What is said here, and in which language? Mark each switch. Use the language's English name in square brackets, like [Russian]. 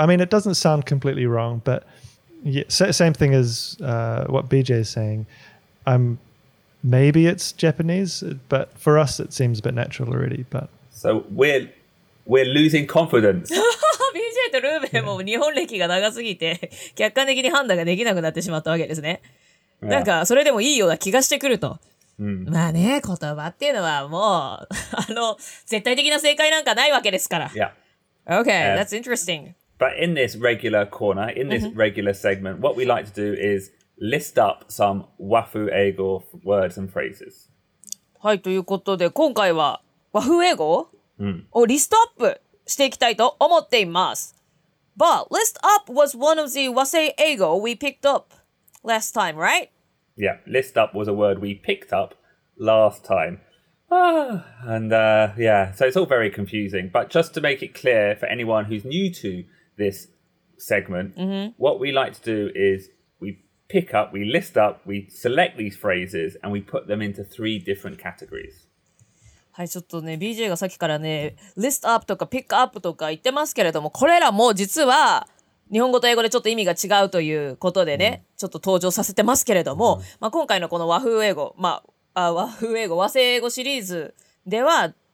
[English] I mean, it doesn't sound completely wrong, but yeah, same thing as what BJ is saying. I'm... Maybe it's Japanese, but for us it seems a bit natural already. But so we're losing confidence. [Japanese] BJ とルーベンも日本歴が長すぎて客観的に判断ができなくなってしまったわけですね。 [English] Yeah. [Japanese] なんかそれでもいいような気がしてくると。 Mm. まあね、言葉っていうのはもうあの絶対的な正解なんかないわけですから。 [English] Yeah. Okay, that's interesting. But in this regular corner, in this regular segment, what we like to do is. List up some wafu eigo words and phrases. [Japanese] はい、ということで今回は wafu eigo をリストアップしていきたいと思っています。 [English] But list up was one of the wasei eigo we picked up last time, right? Yeah, list up was a word we picked up last time. And yeah, so it's all very confusing. But just to make it clear for anyone who's new to this segment, what we like to do isPick up, we list up, we select these phrases, and we put them into three different categories. [Japanese] はい、ちょっとね、BJ がさっきからね、list up とか pick up とか言ってますけれども、これらも実は日本語と英語でちょっと意味が違うということでね、ちょっと登場させてますけれども、まあ、今回のこの和風英語、まあ、和風英語、和製英語シリーズでは、